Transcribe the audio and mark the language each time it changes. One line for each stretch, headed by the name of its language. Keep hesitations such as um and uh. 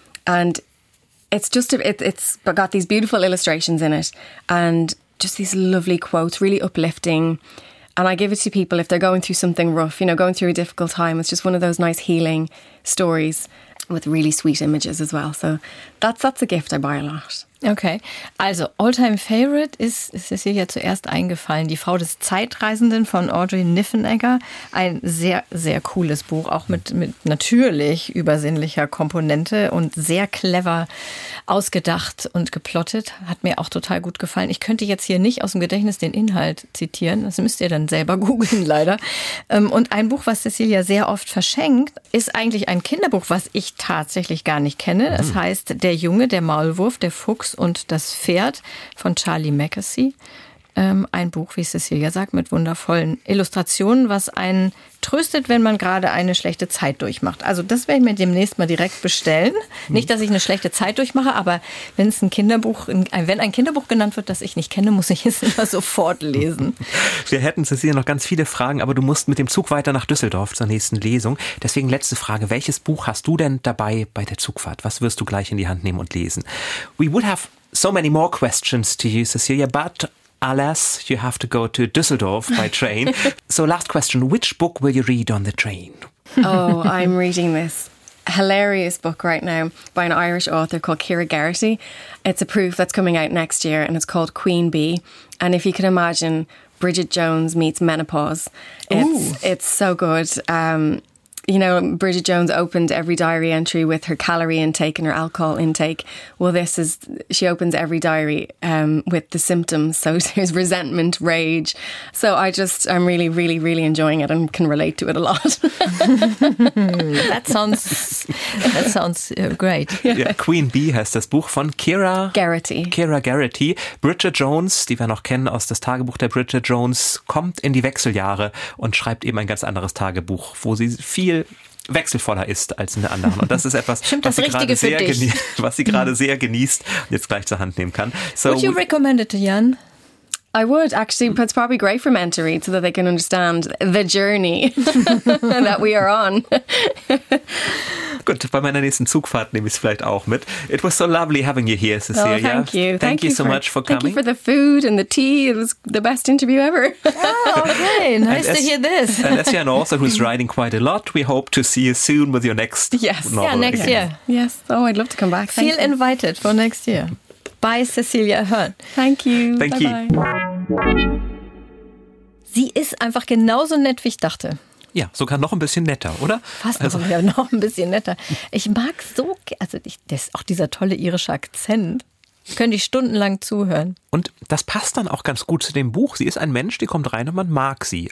English: And it's just, a, it, it's got these beautiful illustrations in it and just these lovely quotes, really uplifting. And I give it to people if they're going through something rough, you know, going through a difficult time. It's just one of those nice healing stories with really sweet images as well. So, that's, that's a gift I buy a lot.
German: Okay, also Alltime Favorite ist, es ist Cecilia zuerst eingefallen, Die Frau des Zeitreisenden von Audrey Niffenegger. Ein sehr, sehr cooles Buch, auch mit, mit natürlich übersinnlicher Komponente und sehr clever ausgedacht und geplottet. Hat mir auch total gut gefallen. Ich könnte jetzt hier nicht aus dem Gedächtnis den Inhalt zitieren, das müsst ihr dann selber googeln leider. Ähm, Und ein Buch, was Cecilia sehr oft verschenkt, ist eigentlich ein Kinderbuch, was ich tatsächlich gar nicht kenne. Es heißt Der Junge, der Maulwurf, der Fuchs und das Pferd von Charlie Mackesy. Ähm, ein Buch, wie Cecilia sagt, mit wundervollen Illustrationen, was einen tröstet, wenn man gerade eine schlechte Zeit durchmacht. Also das werde ich mir demnächst mal direkt bestellen. Nicht, dass ich eine schlechte Zeit durchmache, aber wenn es ein Kinderbuch, wenn ein Kinderbuch genannt wird, das ich nicht kenne, muss ich es immer sofort lesen. Wir hätten Cecilia noch ganz viele Fragen, aber du musst mit dem Zug weiter nach Düsseldorf zur nächsten Lesung. Deswegen letzte Frage. Welches Buch hast du denn dabei bei der Zugfahrt? Was wirst du gleich in die Hand nehmen und lesen?
English: We would have so many more questions to you, Cecilia, but alas, you have to go to Düsseldorf by train. so last question. Which book will you read on the train? oh, I'm reading this hilarious book right now by an Irish author called Kira Garrity. It's a proof that's coming out next year and it's called Queen Bee. And if you can imagine, Bridget Jones meets menopause. It's, it's so good. Um, you know, Bridget Jones opened every diary entry with her calorie intake and her alcohol intake. Well, this is, she opens every diary um, with the symptoms. So there's resentment, rage. So I just, I'm really, really, really enjoying it and can relate to it a lot. That sounds, that sounds
German: äh,
English: great.
German: Ja, Queen Bee heißt das Buch von Kira Garrity. Kira Garrity. Bridget Jones, die wir noch kennen aus das Tagebuch der Bridget Jones, kommt in die Wechseljahre und schreibt eben ein ganz anderes Tagebuch, wo sie viel wechselvoller ist als in der anderen. Und das ist etwas, Stimmt, was, das sie gerade Richtige für sehr dich. genie- was sie gerade sehr genießt und jetzt gleich zur Hand nehmen kann. So,
English: Would you recommend it to Jan? I would actually. It's probably great for men to read so that they can understand the journey that we are on.
German: Gut, bei meiner nächsten Zugfahrt nehme ich es vielleicht auch mit.
English: It was so lovely having you here, Cecilia. Oh, thank you. Thank, you, so for- much for Thank coming. you for the food and the tea. It was the best interview ever. Okay, nice to hear this. And as you're an author who's writing quite a lot, we hope to see you soon with your next Yes. Yeah, novel. Yeah, next again. year. yes. Oh, I'd love to come back. Thank Feel invited for next year. By Cecilia Hearn. Thank you. Thank you. Bye-bye.
German: Sie ist einfach genauso nett, wie ich dachte. Ja, sogar noch ein bisschen netter, oder? Fast noch, ja, noch ein bisschen netter. Ich mag so, ge- also ich, das, auch dieser tolle irische Akzent. Könnte ich stundenlang zuhören. Und das passt dann auch ganz gut zu dem Buch. Sie ist ein Mensch, die kommt rein und man mag sie.